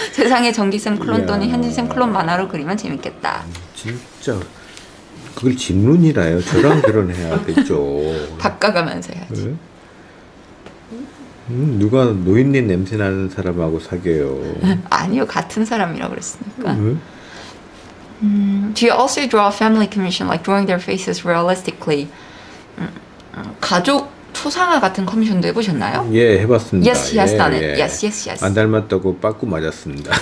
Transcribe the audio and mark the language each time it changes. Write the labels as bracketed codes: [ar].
[ko] 세상에 전기쌤 클론 또는 현지쌤 클론 만화로 그리면 재밌겠다. 진짜. 그걸 진룬이라요. 저랑 결혼해야 되죠. 바꿔가면서 해야지. 네? 누가 노인네 냄새 나는 사람하고 사귀어요. 아니요, 같은 사람이라고 그랬으니까. 네? [en] Do you also draw a family commission, like drawing their faces realistically? [ko] 가족 초상화 같은 커미션도 해보셨나요? 예, 해봤습니다. [en] Yes, he has done it. Yes, yes, yes. [ko] 안 닮았다고 빠꾸 맞았습니다.